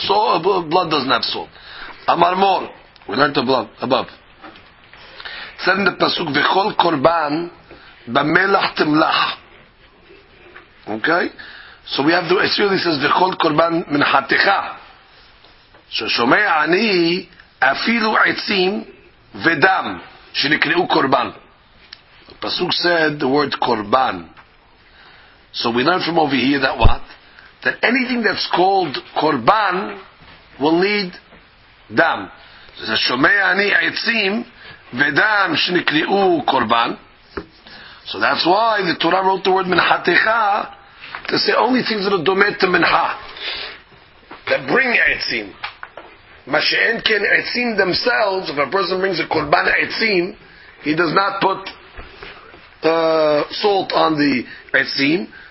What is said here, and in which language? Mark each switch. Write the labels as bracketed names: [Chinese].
[English] So blood doesn't have salt. [Hebrew] Amar mor, [English] we learned above. Said in the pasuk, [Hebrew] v'chol korban b'melach temlach. [English] Okay? So we have the, it really says, [Hebrew] v'chol korban minchaticha. ששומעי אני אפילו עצים ודם שנקראו קורבן. [English] פסוק said the word קורבן. So we learn from over here that what? That anything that's called קורבן will need דם. [Hebrew] ששומעי אני עצים ודם שנקראו קורבן. [English] So that's why the Torah wrote the word מנחתך to say only things that are דומה to מנחה. That bring עצים. [Hebrew] Masha'en ken etzim [English] themselves, if a person brings a korban etzim, he does not put salt on the etzim.